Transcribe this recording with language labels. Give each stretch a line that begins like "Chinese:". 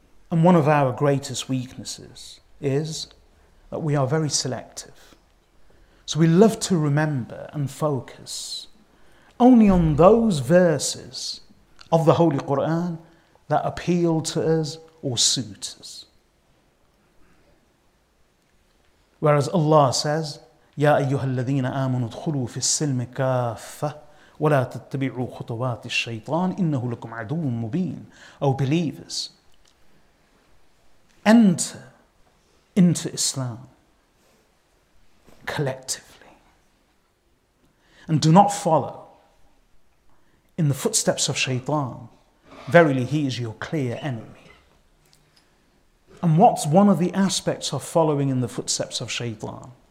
English: And one of our greatest weaknesses is that we are very selective. So we love to remember and focus only on those verses of the Holy Quran that appeal to us or suit us. Whereas Allah says,
Arabic: يَا أَيُّهَا الَّذِينَ آمَنُوا ادْخُلُوا فِي السِّلْمِ كَافَّةً وَلَا تَتَّبِعُوا خُطُوَاتِ الشَّيْطَانِ إِنَّهُ لَكُمْ عَدُوٌ مُبِينٌ.
English: O believers, enter into Islam collectively and do not follow in the footsteps of shaitan. Verily, he is your clear enemy. And what's one of the aspects of following in the footsteps of shaitan?